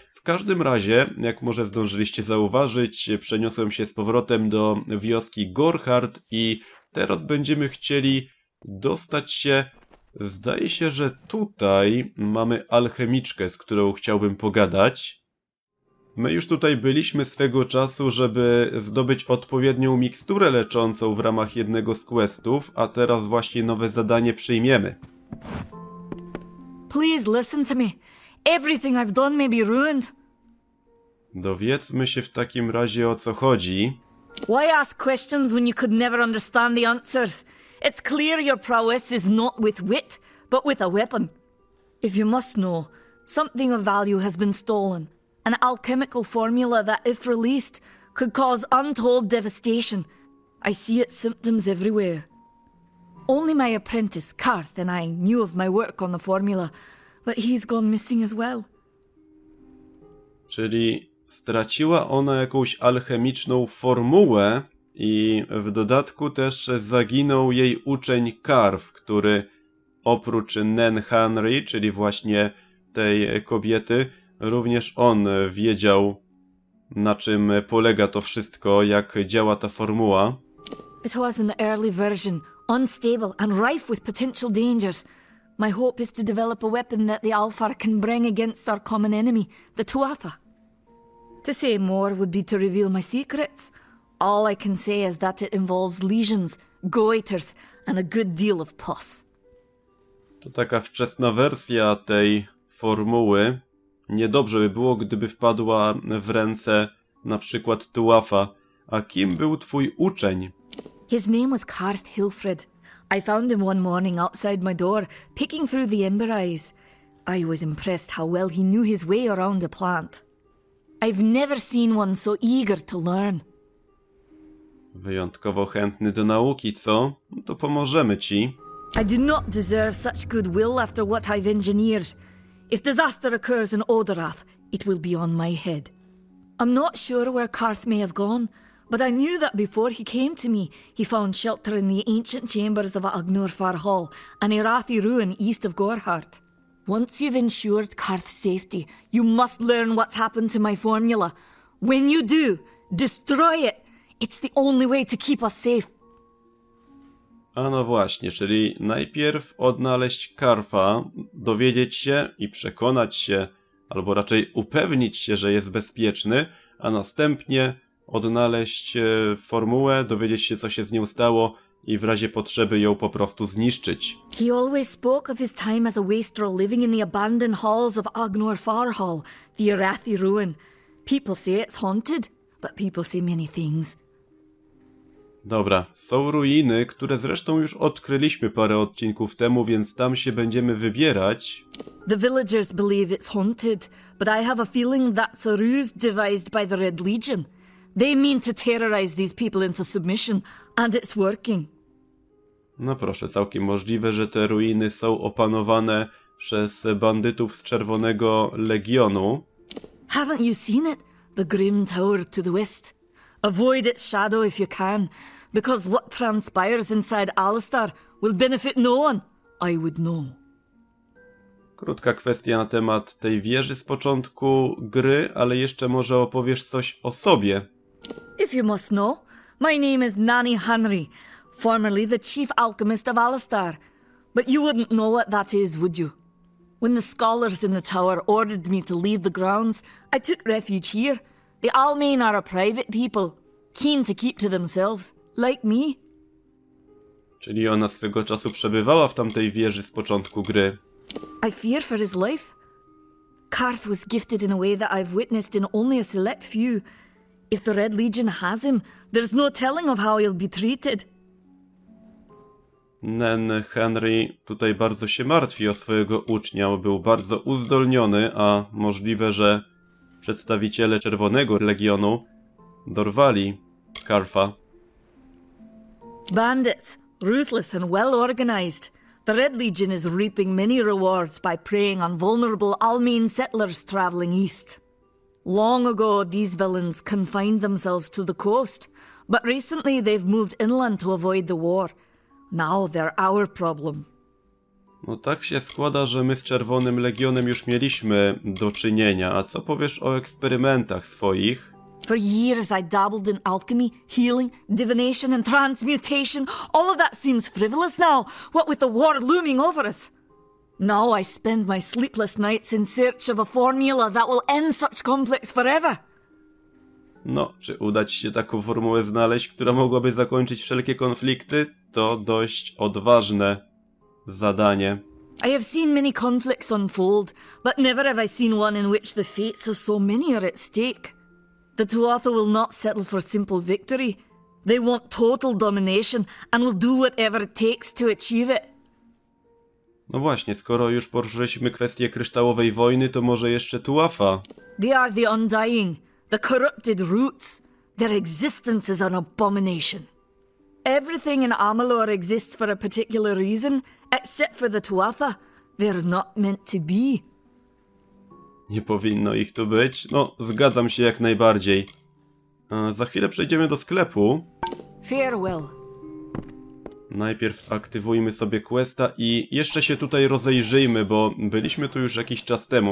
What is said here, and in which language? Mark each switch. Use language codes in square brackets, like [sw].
[pl] W każdym razie, jak może zdążyliście zauważyć, przeniosłem się z powrotem do wioski Gorhard i teraz będziemy chcieli dostać się, zdaje się, że tutaj mamy alchemiczkę, z którą chciałbym pogadać. My już tutaj byliśmy swego czasu, żeby zdobyć odpowiednią miksturę leczącą w ramach jednego z questów, a teraz właśnie nowe zadanie przyjmiemy. [en] Please listen to me. Everything I've done may be ruined. [pl] Dowiedzmy się w takim razie, o co chodzi. [en] Why ask questions when you could never understand the answers? It's clear your prowess is not with wit, but with a weapon. If you must know, something of value has been stolen. An alchemical formula that, if released, could cause untold devastation. I see its symptoms everywhere. Only my apprentice, Karth, and I knew of my work on the formula, but he's gone missing as well. [pl] Czyli straciła ona jakąś alchemiczną formułę i w dodatku też zaginął jej uczeń Karf, który oprócz Nen Henry, czyli właśnie tej kobiety, również on wiedział, na czym polega to wszystko, jak działa ta formuła. [en] It was an early version, unstable and rife with potential dangers. My hope is to develop a weapon that the Alfar can bring against our common enemy, the Tuatha. To say more would be to reveal my secrets. All I can say is that it involves lesions, goiters, and a good deal of pus. [pl] To taka wczesna wersja tej formuły. Niedobrze by było, gdyby wpadła w ręce na przykład Tuatha. A kim był twój uczeń? [en] His name was Karth Hilfred. I found him one morning outside my door, picking through the ember eyes. I was impressed how well he knew his way around a plant. I've never seen one so eager to learn. [pl] Wyjątkowo chętny do nauki, co? No to pomożemy ci. [en] I do not deserve such goodwill after what I've engineered. If disaster occurs in Odorath, it will be on my head. I'm not sure where Karth may have gone, but I knew that before he came to me, he found shelter in the ancient chambers of Agnurfar Hall, an Irathi ruin east of Gorhard. Once you've ensured Karth's safety, you must learn what's happened to my formula. When you do, destroy it. It's the only way to keep us safe. [pl] Ano właśnie, czyli najpierw odnaleźć Karfa, dowiedzieć się i przekonać się, albo raczej upewnić się, że jest bezpieczny, a następnie odnaleźć formułę, dowiedzieć się, co się z nią stało i w razie potrzeby ją po prostu zniszczyć. [en] He always spoke of his time as a wastrel living in the abandoned halls of Agnor Farhall, the Arathi ruin. People say it's haunted, but people say many things. [pl] Dobra, są ruiny, które zresztą już odkryliśmy parę odcinków temu, więc tam się będziemy wybierać. [en] The villagers believe it's haunted, but I have a feeling that's a ruse devised by the Red Legion. They mean to terrorize these people into submission, and it's working. [pl] No proszę, całkiem możliwe, że te ruiny są opanowane przez bandytów z Czerwonego Legionu. [en] Haven't you seen it? The grim tower to the west. Avoid its shadow if you can, because what transpires inside Alistar will benefit no one. I would know. [pl] Krótka kwestia na temat tej wieży z początku gry, ale jeszcze może opowiesz coś o sobie. [en] If you must know, my name is Nani Henry, formerly the chief alchemist of Alistar. But you wouldn't know what that is, would you? When the scholars in the tower ordered me to leave the grounds, I took refuge here. The Almain are a private people, keen to keep to themselves, like me. [pl] Czyli ona swego czasu przebywała w tamtej wieży z początku gry. [en] I fear for his life. Karth was gifted in a way that I've witnessed in only a select few. If the Red Legion has him, there's no telling of how he'll be treated. [pl] Nen Henry tutaj bardzo się martwi o swojego ucznia, bo był bardzo uzdolniony, a możliwe, że przedstawiciele Czerwonego Legionu dorwali Karfa. [en] Bandits, ruthless and well organized. The Red Legion is reaping many rewards by preying on vulnerable Almain settlers traveling east. Long ago, these villains confined themselves to the coast, but recently they've moved inland to avoid the war. Now they're our problem. [pl] No tak się składa, że my z Czerwonym Legionem już mieliśmy do czynienia. A co powiesz o eksperymentach swoich? [en] For years I dabbled in alchemy, healing, divination and transmutation. All of that seems frivolous now, what with the war looming over us. Now I spend my sleepless nights in search of a formula that will end such conflicts forever. [pl] No, czy uda ci się taką formułę znaleźć, która mogłaby zakończyć wszelkie konflikty? To dość odważne zadanie. [en] I have seen many conflicts unfold, but never have I seen one in which the fates of so many are at stake. The Tuatha will not settle for simple victory. They want total domination and will do whatever it takes to achieve it. [pl] No właśnie, skoro już poruszyliśmy kwestię kryształowej wojny, to może jeszcze Tuatha. [en] They are the undying, the corrupted roots. Their existence is an abomination. Everything in Amalur exists for a particular reason, except for the Tuatha. They're not meant to be. [pl] Nie powinno ich tu być. No, zgadzam się jak najbardziej. Za chwilę przejdziemy do sklepu. [en] Farewell. [pl] Najpierw aktywujmy sobie questa i jeszcze się tutaj rozejrzyjmy, bo byliśmy tu już jakiś czas temu.